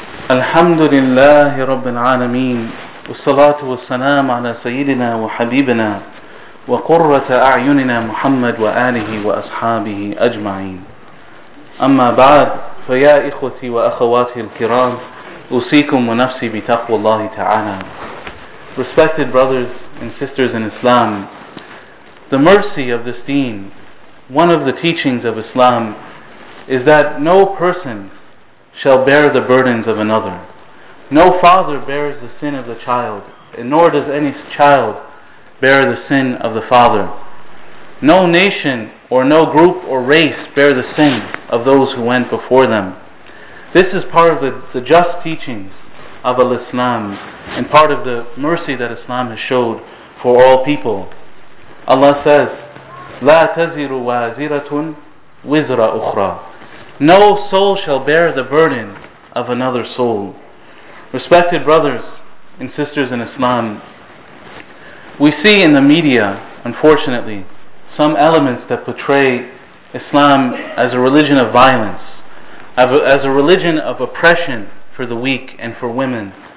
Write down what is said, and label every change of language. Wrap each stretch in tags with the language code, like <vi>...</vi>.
<ar>الحمد لله رب العالمين والصلاة والسلام على سيدنا وحبيبنا وقرة أعيننا محمد وآله وأصحابه أجمعين. أما بعد فيا إخوتي وأخواتي الكرام أوصيكم ونفسي بتقوى الله تعالى.</ar> <en>Respected brothers and sisters in Islam, the mercy of this deen, one of the teachings of Islam, is that no person shall bear the burdens of another. No father bears the sin of the child, and nor does any child bear the sin of the father. No nation or no group or race bear the sin of those who went before them. This is part of the just teachings of al-Islam and part of the mercy that Islam has showed for all people. Allah says,</en> <ar>لا تزر وازرة وزر أخرى.</ar> <en>No soul shall bear the burden of another soul. Respected brothers and sisters in Islam, we see in the media, unfortunately, some elements that portray Islam as a religion of violence, as a religion of oppression for the weak and for women.</en>